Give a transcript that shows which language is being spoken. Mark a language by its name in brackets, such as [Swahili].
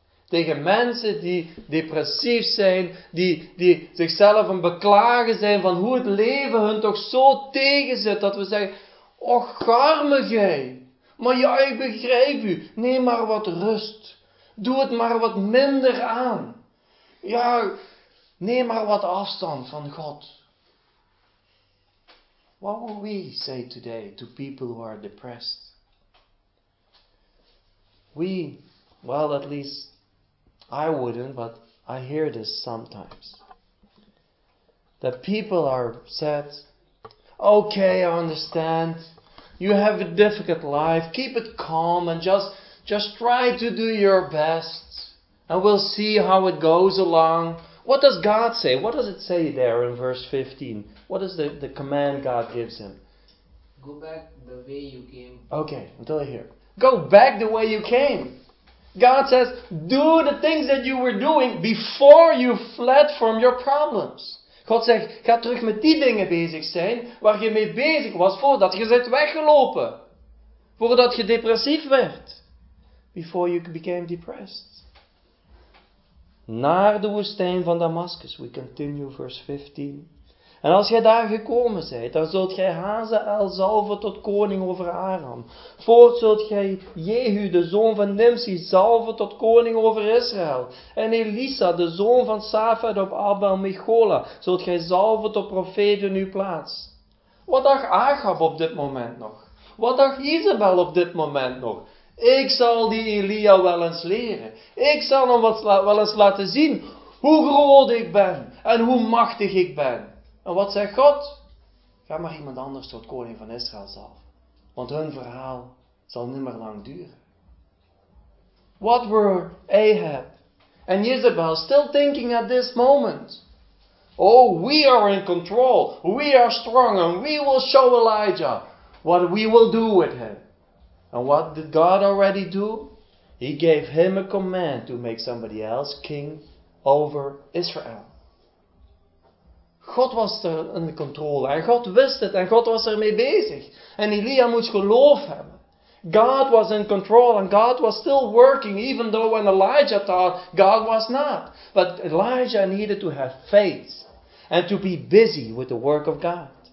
[Dutch] Tegen mensen die depressief zijn, die zichzelf een beklagen zijn van hoe het leven hun toch zo tegenzit, dat we zeggen, och, arme jij, maar ja, ik begrijp u, neem maar wat rust, doe het maar wat minder aan, ja, neem maar wat afstand van God. [English] What will we say today to people who are depressed? At least I wouldn't, but I hear this sometimes. That people are upset. Okay, I understand. You have a difficult life. Keep it calm and just try to do your best. And we'll see how it goes along. What does God say? What does it say there in verse 15? What is the command God gives him? Go back the way you came. Okay, until here. Go back the way you came. God says, do the things that you were doing before you fled from your problems. [Dutch] God zegt, ga terug met die dingen bezig zijn waar je mee bezig was voordat je bent weggelopen. Voordat je depressief werd. [English] Before you became depressed. [Dutch] Naar de woestijn van Damascus. [English] We continue verse 15. [Dutch] En als jij daar gekomen zijt, dan zult gij Hazael zalven tot koning over Aram. Voort zult gij Jehu, de zoon van Nimsi, zalven tot koning over Israël. En Elisa, de zoon van Safed op Abel-Mechola, zult gij zalven tot profeet in uw plaats. Wat dacht Achab op dit moment nog? Wat dacht Isabel op dit moment nog? Ik zal die Elia wel eens leren. Ik zal hem wel eens laten zien hoe groot ik ben en hoe machtig ik ben. En wat zegt God? Ga maar iemand anders tot koning van Israël zelf. Want hun verhaal zal niet meer lang duren. [English] What were Ahab and Jezebel still thinking at this moment? Oh, we are in control. We are strong and we will show Elijah what we will do with him. And what did God already do? He gave him a command to make somebody else king over Israel. [Dutch] God was er in de controle en God wist het en God was ermee bezig. En Elia moest geloof hebben. [English] God was in control and God was still working even though when Elijah thought God was not. But Elijah needed to have faith and to be busy with the work of God.